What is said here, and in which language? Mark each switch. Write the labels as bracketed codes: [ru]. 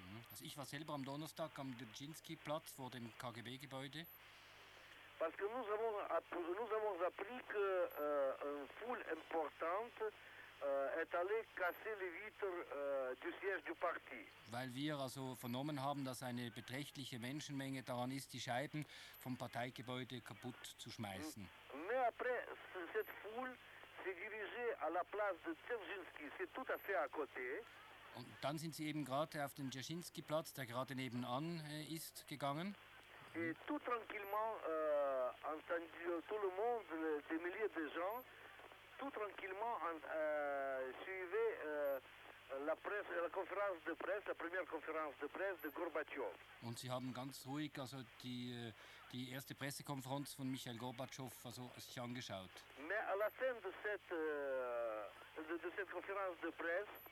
[de] Also ich war selber am Donnerstag am Dzerzhinsky-Platz vor dem KGB-Gebäude. [fr] Parce que nous avons appris que une foule importante est allée casser les vitres du siège du parti. [de] Weil wir also vernommen haben, dass eine beträchtliche Menschenmenge daran ist, die Scheiben vom Parteigebäude kaputt zu schmeißen. [fr] Mais après, cette foule s'est dirigée à la place de Dzerzhinsky, c'est tout à fait à côté. [de] Und dann sind sie eben gerade auf den Dzerzhinsky-Platz, der gerade nebenan ist, gegangen. [fr] Et tout tranquillement, entendu tout le monde, des milliers de gens, tout tranquillement suivaient la presse, la conférence de presse, la première conférence de presse de Gorbatschow. [de] Und sie haben ganz ruhig also die erste Pressekonferenz von Michael Gorbatschow also sich angeschaut. [fr] Mais à la fin de cette conférence de presse,